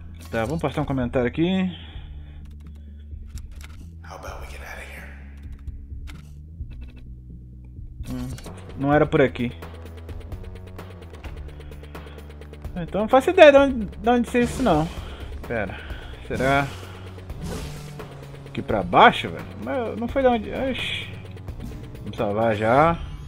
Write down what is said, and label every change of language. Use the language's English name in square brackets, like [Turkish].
[Portuguese] Tá, vamos postar um comentário aqui. [English] How about we get out of here? [Portuguese] Não era por aqui. Então não faço ideia de onde ser isso não. Pera. Será? Aqui pra baixo, velho? Mas não foi de onde. Oxi. Vamos salvar já.